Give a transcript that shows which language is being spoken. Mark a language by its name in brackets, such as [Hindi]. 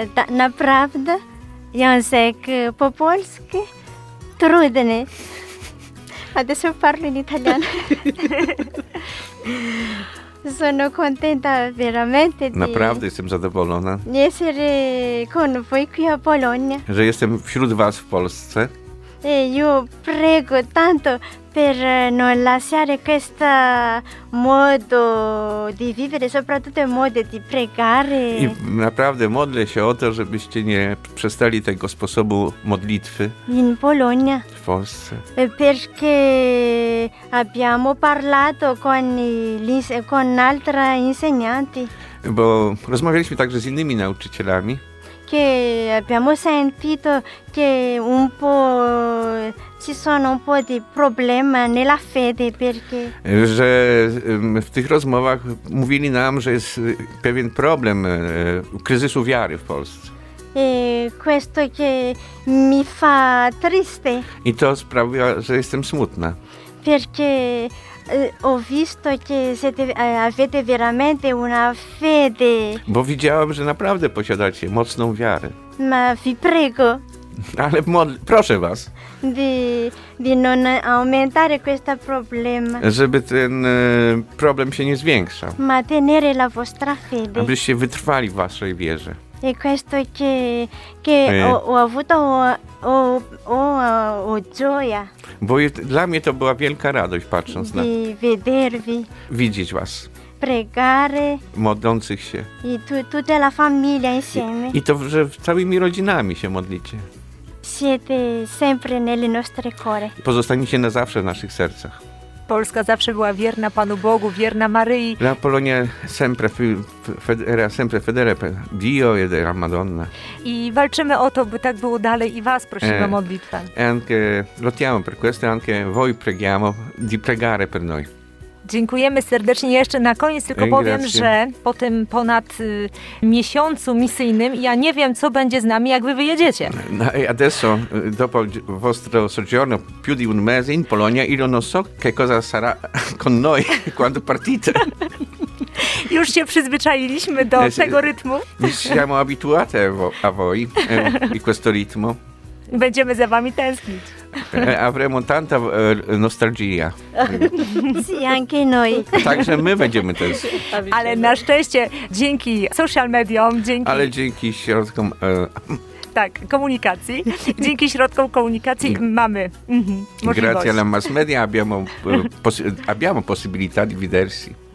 [Polish] Naprawdę język po polsku trudny. A teraz [Italian] parlo in italiano. Sono contenta veramente. [Polish] Naprawdę jestem zadowolona. [Italian] Essere con voi qui a Polonia. [Polish] Że jestem wśród was w Polsce. [Italian] E io prego tanto per non lasciare questo modo di vivere, soprattutto il modo di pregare. [Polish] I naprawdę modlę się o to, żebyście nie przestali tego sposobu modlitwy. [Italian] In Polonia. [Polish] W Polsce. [Italian] Perché abbiamo parlato con altri insegnanti. [Polish] Bo rozmawialiśmy także z innymi nauczycielami. [Italian] Che abbiamo sentito che un po' ci sono un po' di problemi nella fede perché... [Polish] Że w tych rozmowach mówili nam, że jest pewien problem kryzysu wiary w Polsce. [Italian] E questo che mi fa triste. [Polish] I to sprawia, że jestem smutna. [Italian] Perché ho visto che siete, avete veramente una fede. [Polish] Bo widziałam, że naprawdę posiadacie mocną wiarę. [Italian] Ma vi prego. [Polish] Ale proszę was. [Italian] Di non aumentare questo problema. [Polish] Żeby ten problem się nie zwiększał. [Italian] Ma tenere la vostra fede. [Polish] Abyście wytrwali w waszej wierze. [Italian] E questo che ho avuto o gioia. [Polish] Bo dla mnie to była wielka radość, patrząc [Italian] di vedervi, [Polish] widzieć was, [Italian] pregare, [Polish] modlących się [Italian] i tutta la famiglia insieme. [Polish] I to, że całymi rodzinami się modlicie. [Italian] Siete sempre nelle nostre core. [Polish] Pozostaniecie na zawsze w naszych sercach. Polska zawsze była wierna Panu Bogu, wierna Maryi. [Italian] La Polonia sempre era sempre fedele per Dio e della Madonna. [Polish] I walczymy o to, by tak było dalej i was prosimy o modlitwę. [Italian] Anche lottiamo per questo, anche voi preghiamo di pregare per noi. [Polish] Dziękujemy serdecznie. Jeszcze na koniec tylko powiem, że po tym ponad miesiącu misyjnym ja nie wiem, co będzie z nami, jak wy wyjedziecie. [Italian] Adesso, dopo vostro soggiorno, più di un mese in Polonia, io non so che cosa sarà con noi quando partite. [Polish] Już się przyzwyczailiśmy do tego rytmu. [Italian] Siamo abituati a voi e questo ritmo. [Polish] Będziemy za wami tęsknić. [Italian] Avremo tanta nostalgia. Sì, anche noi. [Polish] Także my będziemy też. Ale na szczęście dzięki social mediom, dzięki... Ale dzięki środkom... Tak, komunikacji. Dzięki środkom komunikacji mamy możliwość. [Italian] Grazie alla mass media abbiamo possibilità di vedersi.